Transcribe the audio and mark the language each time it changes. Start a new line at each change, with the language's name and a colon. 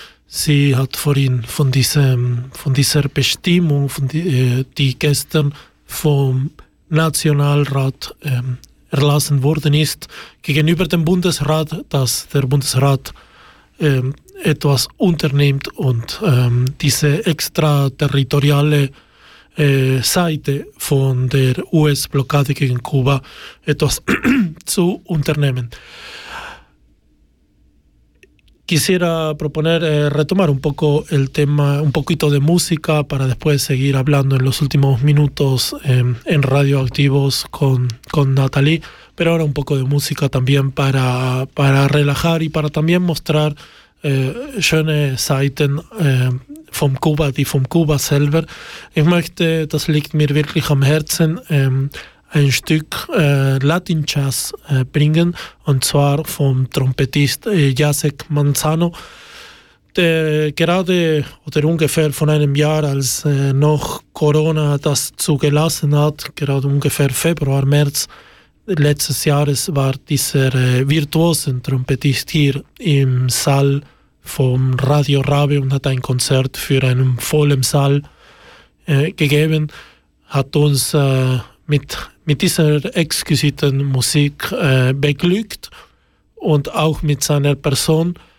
German: Sie hat vorhin von dieser Bestimmung, die gestern vom Nationalrat erlassen worden ist, gegenüber dem Bundesrat, dass der Bundesrat etwas unternimmt und diese extraterritoriale Seite von der US-Blockade gegen Kuba etwas zu unternehmen.
Spanish: Quisiera proponer retomar un poco el tema, un poquito de música para después seguir hablando en los últimos minutos en Radioactivos con Nathalie, pero ahora un poco de música también para relajar y para también mostrar
German: schöne Seiten vom Kuba, die vom Kuba selber. Ich möchte, das liegt mir wirklich am Herzen, ein Stück Latin Jazz bringen, und zwar vom Trompetist Jacek Manzano, der gerade oder ungefähr von einem Jahr, als noch Corona das zugelassen hat, gerade ungefähr Februar, März letztes Jahres, war dieser virtuosen Trompetist hier im Saal vom Radio Rabe und hat ein Konzert für einen vollen Saal gegeben, hat uns mit dieser exquisiten Musik beglückt und auch mit seiner Person.